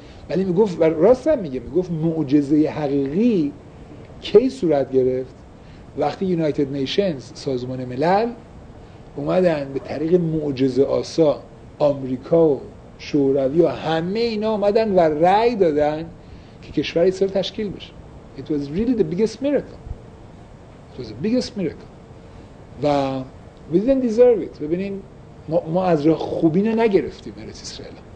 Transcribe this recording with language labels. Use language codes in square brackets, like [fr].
[fa] ولی میگفت راست هم میگه، میگفت معجزه حقیقی کی صورت گرفت؟ وقتی یونایتد نیشنز سازمان ملل اومدن به طریق معجزه آسا آمریکا و شوروی و همه اینا اومدن و رأی دادن که کشور اسرائیل تشکیل بشه. [en] It was really the biggest miracle. It was the biggest miracle. و we didn't deserve it. [fa] ببینین ما از راه خوبی نگرفتیم ارث اسرائیل.